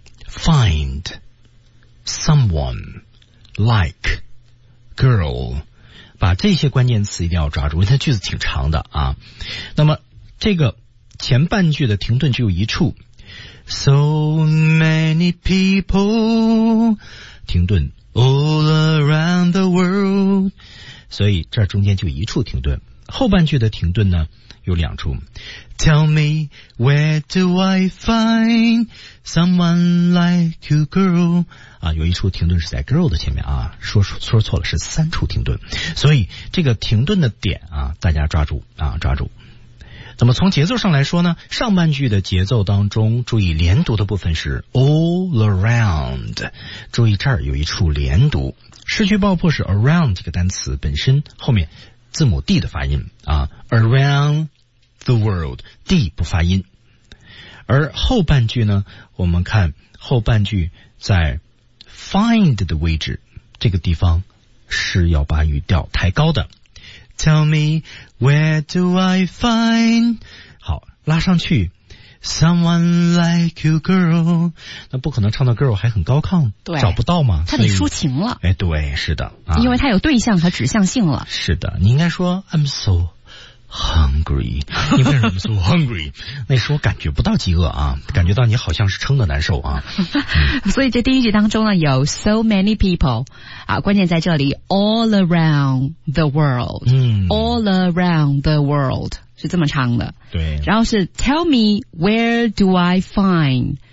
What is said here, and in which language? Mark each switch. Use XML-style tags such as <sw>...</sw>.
<en>Find someone like girl，</en> <zh>把这些关键词一定要抓住，因为它句子挺长的啊。那么这个前半句的停顿只有一处 ，</zh> <en>So many people，</en> <zh>停顿</zh> <en>all around the world，</en> <zh>所以这中间就一处停顿。后半句的停顿呢有两处</zh> <en>，Tell me where do I find someone like you, girl？</en> <zh>啊，有一处停顿是在 girl 的前面啊，说错了，是三处停顿，所以这个停顿的点啊，大家抓住啊，抓住。那么从节奏上来说呢，上半句的节奏当中，注意连读的部分是 all around， 注意这儿有一处连读，失去爆破是 around 这个单词本身后面。字母 D 的发音啊 ，around the world D 不发音，而后半句呢，我们看后半句在 find 的位置，这个地方是要把语调抬高的。</zh> <en>Tell me where do I find？好，</en> <zh>拉上去</zh> <en>，someone like you, girl。</en> <zh>那不可能唱到 girl 还很高亢，对，找不到吗？他得抒情了。哎，对，是的，啊、因为他有对象和指向性了。是的，你应该说</zh> <en>I'm so hungry。</en> <zh>你为什么 so hungry？ 那时候感觉不到饥饿啊，感觉到你好像是撑得难受啊。所以这第一句当中呢，有 so many people 啊，关键在这里 all around the world， all around the world 是这么唱的。对，</zh> <en>然后是 tell me where do I find。</en>